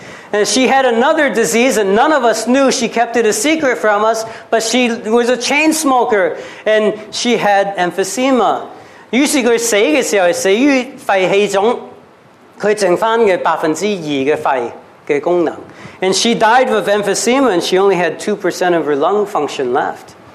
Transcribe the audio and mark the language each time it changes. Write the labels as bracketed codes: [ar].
[en] And she had another disease, and none of us knew. She kept it a secret from us, but she was a chain smoker, and she had emphysema. [yue] 于是佢死嘅时候系死于肺气肿。佢剩翻嘅2%嘅肺嘅功能 [en] ，and she died with emphysema, and she only had 2% of her lung function left.